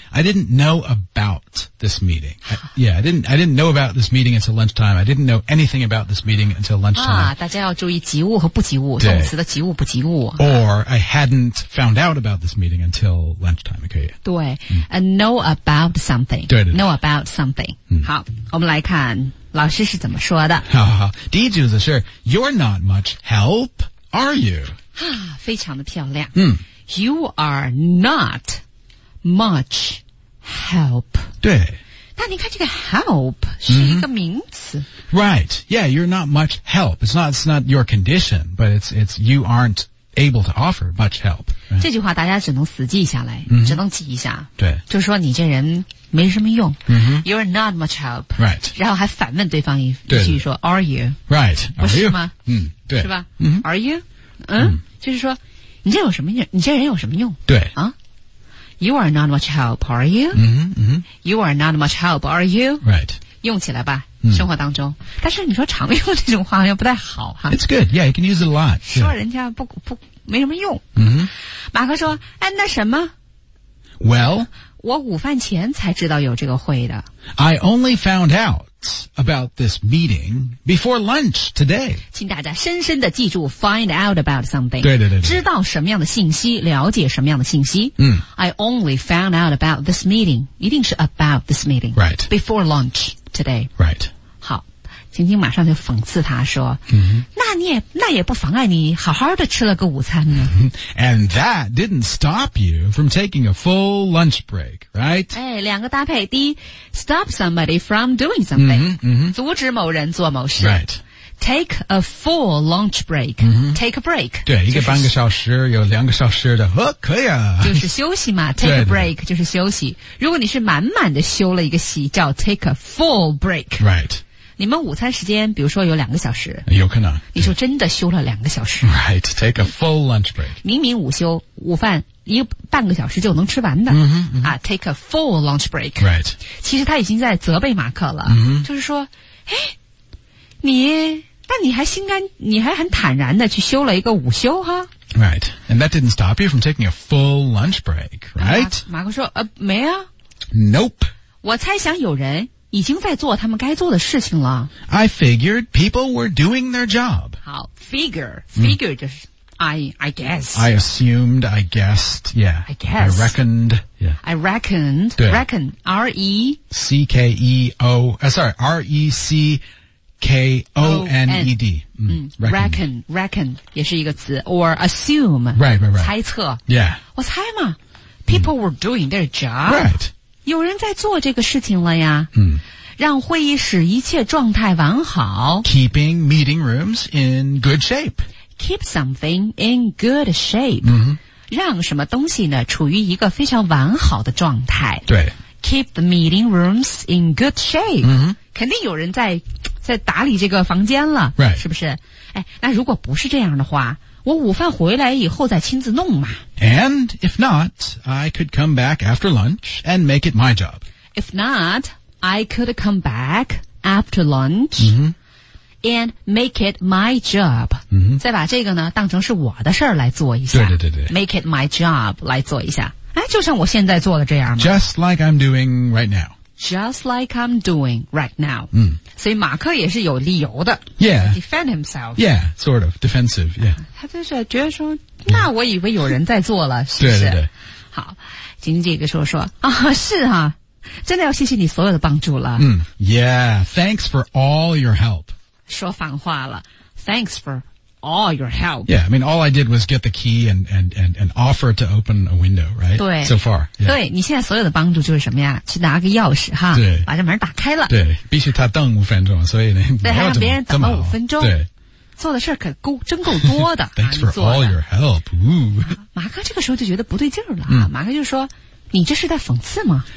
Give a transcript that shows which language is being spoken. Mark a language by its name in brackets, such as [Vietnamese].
[English] I didn't know about this meeting. I didn't know about this meeting until lunchtime. I didn't know anything about this meeting until lunchtime. [Chinese] 大家要注意及物和不及物动词的及物不及物。 [English] Or, I hadn't found out about this meeting until lunchtime. [Chinese] 可以。 [English] 对。Know about something. [Chinese] 对对对。 [English] Know about something. [Chinese] 好我们来看老师是怎么说的。好好好。第一句子是 [English] You're not much help, are you? [Chinese] 非常的漂亮。 [English] You are not much help. [Chinese] 对。但你看这个 help 是一个名词、 Right, yeah, you're not much help. It's not your condition, but it's you aren't able to offer much help.、Right? 这句话大家只能死记下来、只能记一下。对。就是说你这人没什么用。 Mm-hmm. [English] You're not much help. Right. [Chinese] 然后还反问对方一句说 [English] are you? Right, are you? [Chinese] 不是吗、对。是吧、are you? 就是说你这有什么用你这人有什么用对。 [English] 啊You are not much help, are you? You are not much help, are you? Right. [Chinese] 用起来吧、生活当中。但是你说常用这种话好像不太好哈。 [English] It's good, yeah, you can use it a lot. [Chinese] 说人家不没什么用。马克说哎那什么 [English] Well, [Chinese] 我午饭前才知道有这个会的。 [English] I only found out about this meeting before lunch today. [Chinese] 请大家深深的记住 [English] find out about something. [Chinese] 对对 对, 对。知道什么样的信息了解什么样的信息。 [English] I only found out about this meeting. [Chinese] 一定是 [English] about this meeting. Right. Before lunch today. Right. [Chinese] 好晴晴马上就讽刺他说、那也不妨碍你好好的吃了个午餐呢。 [English] And that didn't stop you from taking a full lunch break, right? [Chinese] 哎两个搭配第一 [English] stop somebody from doing something, [Chinese] 阻止某人做某事。 [English] Right. Take a full lunch break,、take a break. [Chinese] 对、就是、一个半个小时有两个小时的、哦、可以啊。就是休息嘛 [English] take a break [Chinese] 就是休息。如果你是满满的休了一个息叫 [English] take a full break. Right. [Chinese] 你们午餐时间比如说有两个小时有可能你就真的休了两个小时 [English] Right, take a full lunch break [Chinese] 明明午休午饭一个半个小时就能吃完的 [English] take a full lunch break Right [Chinese] 其实他已经在责备马克了、就是说诶你那你还心甘你还很坦然的去休了一个午休哈 [English] Right, and that didn't stop you from taking a full lunch break Right、 [Chinese] 马克说没啊 [English] Nope [Chinese] 我猜想有人已经在做他们该做的事情了。 [English] I figured people were doing their job. [Chinese] 好 ,figure 就是、 [English] I guess. I assumed, I guessed, yeah. I guess. I reckoned, yeah. I reckoned, reckon, R-E-C-K-O-N-E-D. [Chinese] Reckon, 也是一个词 [English] or assume. Right. [Chinese] 猜测。 [English] Yeah. [Chinese] 我猜嘛 [English] ,people were doing their job. Right. [Chinese] 有人在做这个事情了呀。让会议室一切状态完好。 [English] Keeping meeting rooms in good shape. Keep something in good shape.、 [Chinese] 让什么东西呢处于一个非常完好的状态。对。 [English] Keep the meeting rooms in good shape.、 [Chinese] 肯定有人在打理这个房间了。 [English] Right. [Chinese] 是不是哎那如果不是这样的话我午饭回来以后再亲自弄嘛。 [English] And if not, I could come back after lunch and make it my job. If not, I could come back after lunch、and make it my job.、 [Chinese] 再把这个呢当成是我的事儿来做一下。对对对对。 [English] Make it my job [Chinese] 来做一下。哎就像我现在做的这样嘛。 [English] Just like I'm doing right now. just like I'm doing right now. Mm. [Chinese] 所以马克也是有理由的。 [English] Yeah. Defend himself. Yeah, sort of. Defensive, yeah. [Chinese] 他就是觉得说那我以为有人在做了是不是对对对。好经济这个时候说啊是啊真的要谢谢你所有的帮助了。 [English] Mm. Yeah, thanks for all your help. [Chinese] 说反话了 [English] thanks for all your help. Yeah, I mean, all I did was get the key and offer to open a window, right? [Chinese] 对 [English] So far.、Yeah. [Chinese] 对你现在所有的帮助就是什么呀去拿个钥匙哈对把这门打开了。对必须他等五分钟所以呢对还让别人等了五分钟。对做的事可够真够多的。 [English] Thanks for all your help.、 [Chinese] 马克这个时候就觉得不对劲儿了、马克就说你这是在讽刺吗